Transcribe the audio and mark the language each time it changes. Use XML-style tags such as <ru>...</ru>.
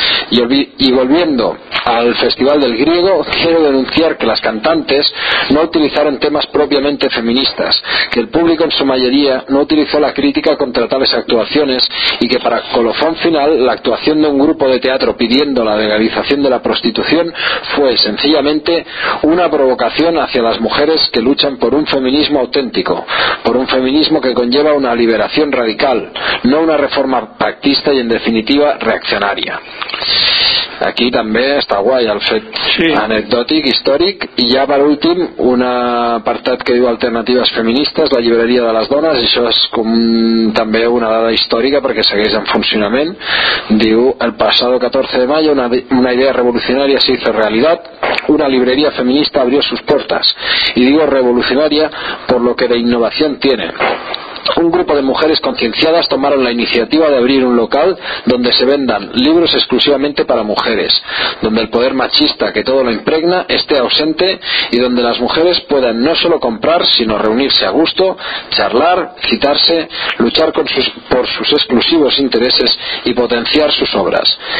<es>Y volviendo al Festival del Griego, quiero denunciar que las cantantes no utilizaron temas propiamente feministas, que el público en su mayoría no utilizó la crítica contra tales actuaciones y que para colofón final la actuación de un grupo de teatro pidiendo la legalización de la prostitución fue sencillamente una provocación hacia las mujeres que luchan por un feminismo auténtico, por un feminismo que conlleva una liberación radical, no una reforma pactista y en definitiva reaccionaria. Aquí también está guay</es> <ca>el fet sí. Anecdòtic, històric, i ja per últim un apartat que diu alternatives feministes, la llibreria de les dones, això és com també una dada històrica perquè segueix en funcionament. Diu,</ca> <es>el passado 14 de mayo una idea revolucionària se hizo realidad, una librería feminista abrió sus puertas, y digo revolucionaria por lo que de innovación tiene. Un grupo de mujeres concienciadas tomaron la iniciativa de abrir un local donde se vendan libros exclusivamente para mujeres, donde el poder machista que todo lo impregna esté ausente y donde las mujeres puedan no solo comprar, sino reunirse a gusto, charlar, citarse, luchar por sus exclusivos intereses y potenciar sus obras.</es>